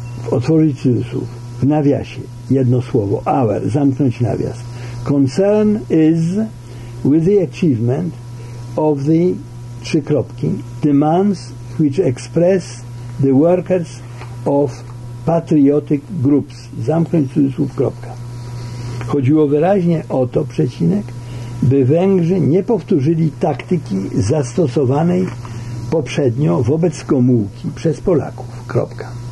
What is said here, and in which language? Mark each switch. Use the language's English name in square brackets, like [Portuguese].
[Polish] Otworzyć cudzysłów, w nawiasie, jedno słowo, our, zamknąć nawias. [English] Concern is with the achievement of the, [Polish] trzy kropki, [English] demands which express the workers of patriotic groups. [Polish] Zamknąć cudzysłów, kropka. Chodziło wyraźnie o to, przecinek, by Węgrzy nie powtórzyli taktyki zastosowanej poprzednio wobec Gomułki przez Polaków, kropka.